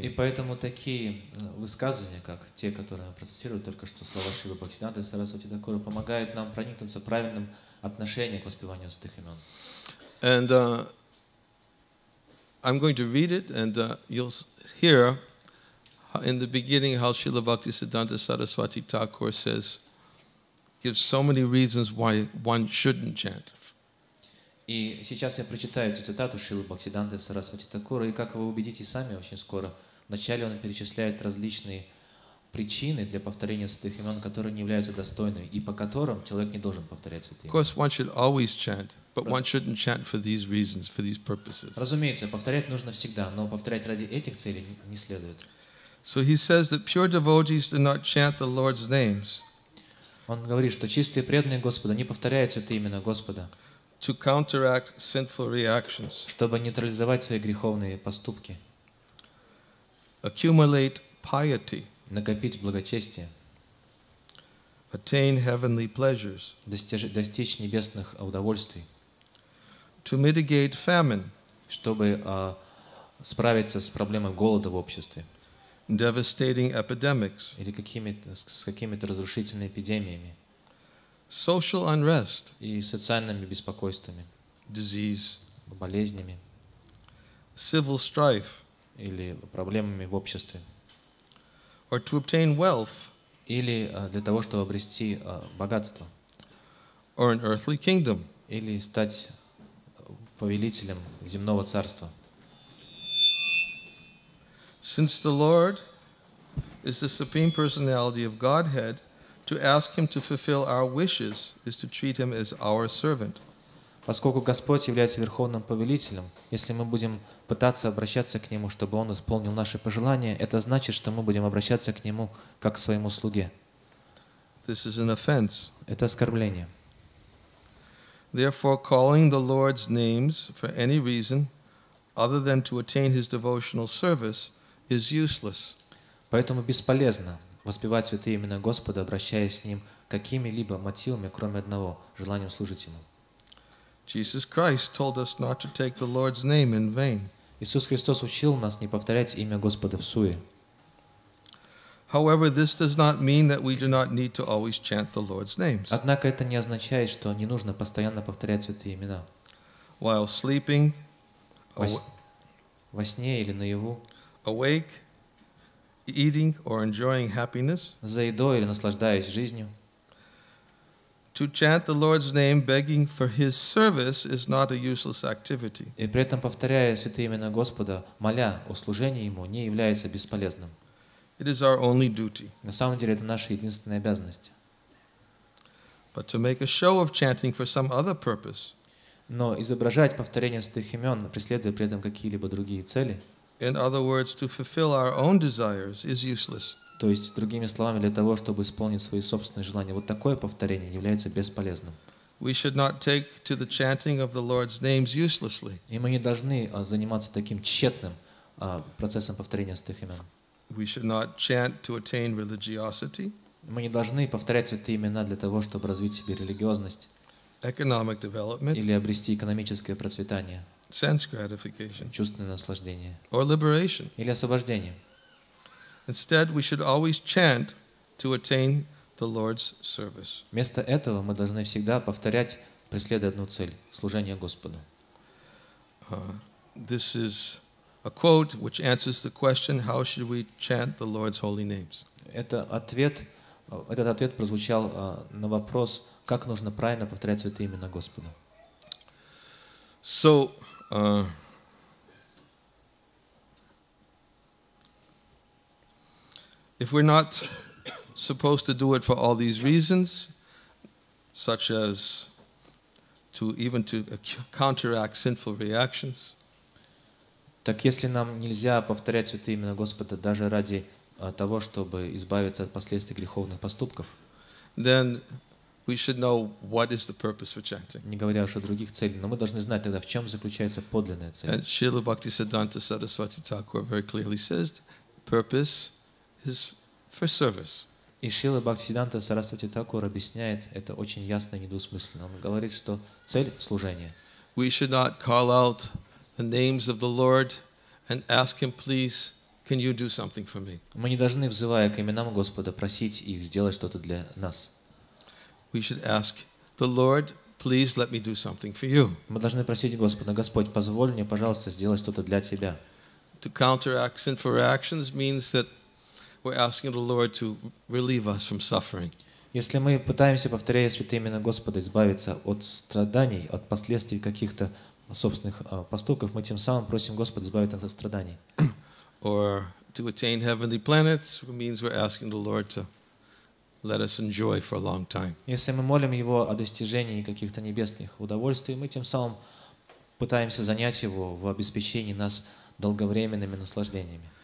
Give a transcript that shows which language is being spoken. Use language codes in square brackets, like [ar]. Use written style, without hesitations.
[ru] И поэтому такие высказывания, как те, которые я процитировал только что, слова Шрилы Бхактисиддханты Сарасвати Такура, помогают нам проникнуться правильным отношением к воспеванию святых имен. [en] And I'm going to read it, and you'll hear in the beginning how Srila Bhaktisiddhanta Saraswati Thakur says, gives so many reasons why one shouldn't chant. [ru] И сейчас я прочитаю эту цитату Шрилы Бхактисиддханты Сарасвати Такура, и как вы убедитесь сами очень скоро, вначале он перечисляет различные причины для повторения святых имен, которые не являются достойными, и по которым человек не должен повторять святые имена. [en] Of course, one should always chant, but one shouldn't chant for these reasons, for these purposes. [ru] Разумеется, повторять нужно всегда, но повторять ради этих целей не следует. [en] So he says that pure devotees do not chant the Lord's names. [ru] Он говорит, что чистые преданные Господа не повторяют святые имена Господа. [en] To counteract sinful reactions, [ru] чтобы нейтрализовать свои греховные поступки, [en] accumulate piety, [ru] накопить благочестие, [en] attain heavenly pleasures, [ru] достичь небесных удовольствий, [en] to mitigate famine, [ru] чтобы справиться с проблемой голода в обществе, [en] devastating epidemics, [ru] или с какими-то разрушительными эпидемиями, [en] social unrest, [ru] и социальными беспокойствами, [en] disease, [ru] болезнями, [en] civil strife, [ru] или проблемами в обществе, [en] or to obtain wealth, [ru] или для того, чтобы обрести богатство, [en] or an earthly kingdom, [ru] или стать повелителем земного царства. [en] Since the Lord is the supreme personality of Godhead, to ask him to fulfill our wishes is to treat him as our servant. [ru] Поскольку Господь является верховным повелителем, если мы будем пытаться обращаться к нему, чтобы он исполнил наши пожелания, это значит, что мы будем обращаться к нему как к своему слуге. [en] This is an offense. [ru] Это оскорбление. [en] Therefore, calling the Lord's names for any reason other than to attain his devotional service is useless. [ru] Поэтому бесполезно воспевать святые имена Господа, обращаясь к ним какими-либо мотивами, кроме одного, желанием служить ему. [en] Jesus Christ told us not to take the Lord's name in vain. [ru] Иисус Христос учил нас не повторять имя Господа всуе. [en] However, this does not mean that we do not need to always chant the Lord's names. [ru] Однако это не означает, что не нужно постоянно повторять святые имена. [en] While sleeping, [ru] во сне или наяву, [en] awake, eating or enjoying happiness, [ru] за едой или наслаждаясь жизнью. [en] To chant the Lord's name, begging for His service, is not a useless activity. [ru] И при этом повторяя святые имена Господа, моля о служении Ему, не является бесполезным. [en] It is our only duty. [ru] На самом деле это наша единственная обязанность. [en] But to make a show of chanting for some other purpose, [ru] Но изображать повторение святых имен, преследуя при этом какие-либо другие цели, [en] in other words, to fulfill our own desires is useless. [ru] То есть, другими словами, для того, чтобы исполнить свои собственные желания, вот такое повторение является бесполезным. [en] We should not take to the chanting of the Lord's names uselessly. [ru] И мы не должны заниматься таким тщетным процессом повторения святых имен. [en] We should not chant to attain religiosity. [ru] Мы не должны повторять святые имена для того, чтобы развить в себе религиозность. [en] Economic development. [ru] Или обрести экономическое процветание. [en] Sense gratification. [ru] Чувственное наслаждение. [en] Or liberation. [ru] Или освобождение. [en] Instead, we should always chant to attain the Lord's service. [ru] Вместо этого мы должны всегда повторять, преследуя одну цель — служение Господу. [en] This is a quote which answers the question, how should we chant the Lord's holy names? [ru] Этот ответ прозвучал на вопрос, как нужно правильно повторять святые имена Господа. [en] So, if we're not supposed to do it for all these reasons, such as to even to counteract sinful reactions. [ru] Так если нам нельзя повторять святые имена Господа даже ради того, чтобы избавиться от последствий греховных поступков, [en] then we should know what is the purpose for chanting. [ru] Не говоря уж о других целях, но мы должны знать тогда, в чем заключается подлинная цель. [en] And Srila Bhaktisiddhanta Saraswati Thakur very clearly says, purpose is for service. [ru] И Шрила Бхактисиддханта Сарасвати Такур объясняет это очень ясно и недвусмысленно. Он говорит, что цель — служение. [en] We should not call out the names of the Lord and ask Him, please, can you do something for me? [ru] Мы не должны, взывая к именам Господа, просить их сделать что-то для нас. [en] We should ask the Lord, please let me do something for you. [ru] Мы должны просить Господа, Господь, позволь мне, пожалуйста, сделать что-то для Тебя. [en] To counteract sinful reactions means that we're asking the Lord to relieve us from suffering. [ru] Если мы пытаемся, повторяя святые имена Господа, избавиться от страданий, от последствий каких-то собственных поступков, мы тем самым просим Господа избавить нас от страданий. [en] Or to attain heavenly planets means we're asking the Lord to let us enjoy for a long time. [ru] Если мы молим Его о достижении каких-то небесных удовольствий, мы тем самым пытаемся занять Его в обеспечении нас долговременными наслаждениями.